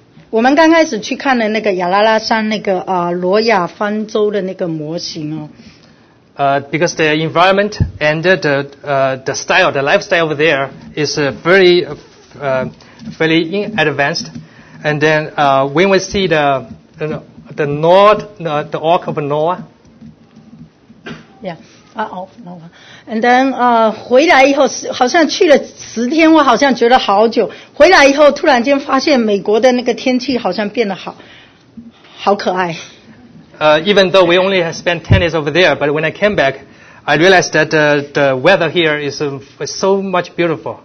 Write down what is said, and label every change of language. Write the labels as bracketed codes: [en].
[zh] 我们刚开始去看了那个亚拉拉山那个罗亚方舟的那个模型哦。 [en] Because the environment and the style, the lifestyle over there is very advanced. And then when we see the Ark of Noah. Yeah, Ark of Noah. And then [zh] 回来以后，好像去了10天，我好像觉得好久。回来以后，突然间发现美国的那个天气好像变得好可爱。 [en] Even though we only spent 10 days over there, but when I came back, I realized that the weather here is so much beautiful.